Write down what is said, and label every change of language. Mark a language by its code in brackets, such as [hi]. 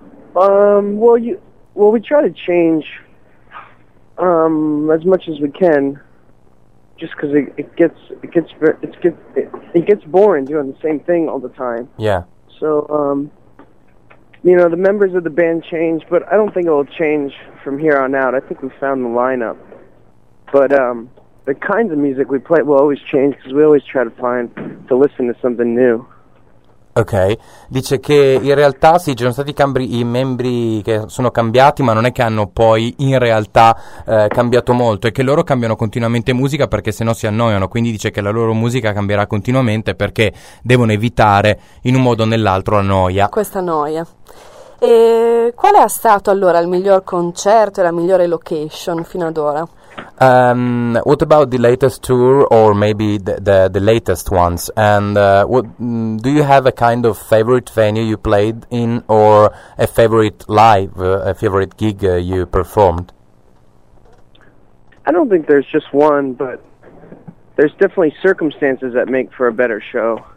[en] We try to change as much as we can, just because it gets boring doing the same thing all the time. Yeah. So, you know, the members of the band change, but I don't think it will change from here on out. I think we found the lineup. But the kinds of music we play will always change, because we always try to find, to listen to something new. [it] Ok, dice che in realtà sì, ci sono stati i membri che sono cambiati, ma non è che hanno poi in realtà cambiato molto, è che loro cambiano continuamente musica perché sennò si annoiano, quindi dice che la loro musica cambierà continuamente perché devono evitare in un modo o nell'altro la noia. Questa noia. E qual è stato allora il miglior concerto e la migliore location fino ad ora? [en] What about the latest tour, or maybe the latest ones? And what do you have a kind of favorite venue you played in, or a favorite live, a favorite gig you performed? I don't think there's just one, but there's definitely circumstances that make for a better show.